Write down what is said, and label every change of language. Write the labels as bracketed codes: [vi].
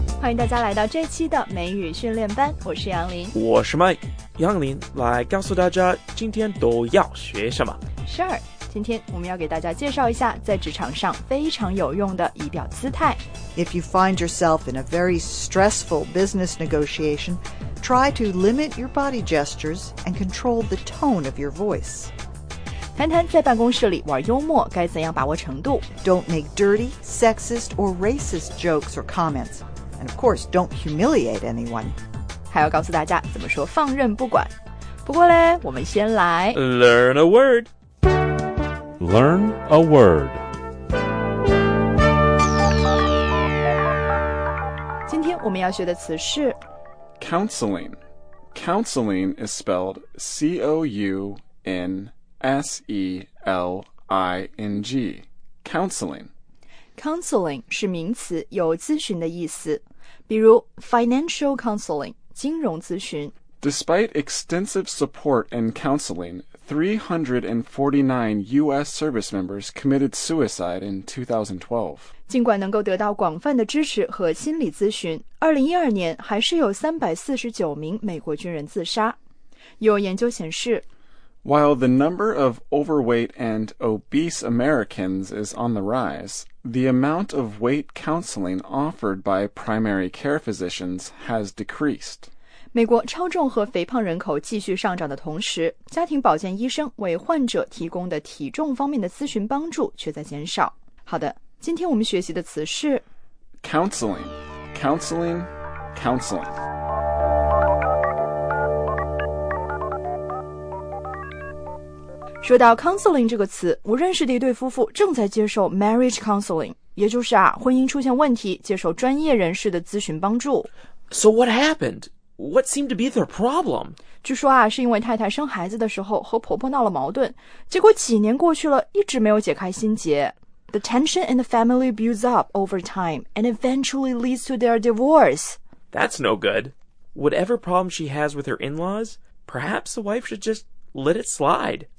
[zh] 迎大家来到这期的美语训练班，我是杨林，我是麦。杨林来告诉大家今天都要学什么。 Sure，今天我们要给大家介绍一下在职场上非常有用的仪表姿态。 [en] If you find yourself in a very stressful business negotiation, try to limit your body gestures and control the tone of your voice. [zh] 谈谈在办公室里玩幽默该怎样把握程度。 [en] Don't make dirty, sexist, or racist jokes or comments. And of course, don't humiliate anyone. [zh] 还要告诉大家怎么说放任不管。不过嘞，我们先来 [en] Learn a word. Learn a word. [zh] 今天我们要学的词是 [en] counseling. Counseling is spelled C-O-U-N-S-E-L-I-N-G. Counseling. [zh] Counseling 是名词，有咨询的意思。比如 [en] financial counseling, [zh] 金融咨询。 [en] Despite extensive support and counseling,349 U.S. service members committed suicide in 2012. [zh] 尽管能够得到广泛的支持和心理咨询，2012年还是有349名美国军人自杀。有研究显示 [en] While the number of overweight and obese Americans is on the rise, the amount of weight counseling offered by primary care physicians has decreased. [zh] 美国超重和肥胖人口继续上涨的同时，家庭保健医生为患者提供的体重方面的咨询帮助却在减少。好的，今天我们学习的词是 [en] counseling, counseling, counseling. [zh] 说到 counseling 这个词，我认识的一对夫妇正在接受 [en] marriage counseling, [zh] 也就是啊，婚姻出现问题，接受专业人士的咨询帮助。 [en] So what happened? What seemed to be their problem? [zh] 据说啊，是因为太太生孩子的时候和婆婆闹了矛盾，结果几年过去了，一直没有解开心结。 [en] The tension in the family builds up over time and eventually leads to their divorce. That's no good. Whatever problem she has with her in-laws, perhaps the wife should just let it slide.